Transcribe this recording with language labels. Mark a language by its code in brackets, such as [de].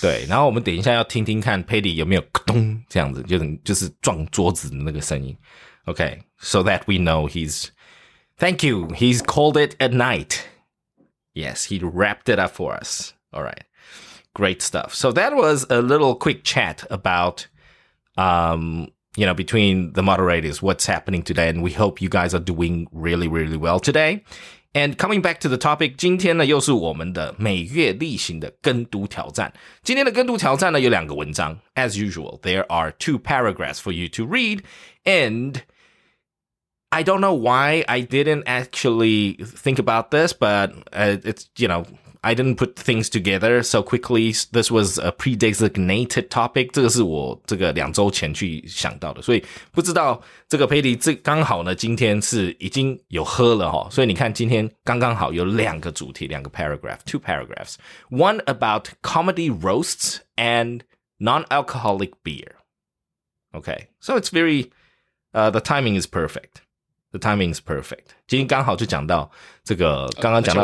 [zh] 对，然后我们等一下要听听看 Patty 有没有咕咚这样子，就是撞桌子的那个声音。 [en] Okay, so that we know thank you, he's called it at night. Yes, he wrapped it up for us. All right. Great stuff. So that was a little quick chat about, between the moderators, what's happening today. And we hope you guys are doing really, really well today. And coming back to the topic, [zh] 今天呢又是我们的每月例行的跟读挑战。今天的跟读挑战呢有两个文章。 [en] As usual, there are two paragraphs for you to read. And I don't know why I didn't actually think about this, but I didn't put things together so quickly. This was a pre-designated topic. [zh] 这个是我这个两周前去想到的，所以不知道这个 Patty 这刚好呢，今天是已经有喝了哈，所以你看今天刚刚好有两个主题，两个 paragraph, [en] two paragraphs. One about comedy roasts and non-alcoholic beer. Okay, so it's very, the timing is perfect. The timing is perfect. [zh] 今天刚好就讲到这个，刚刚讲到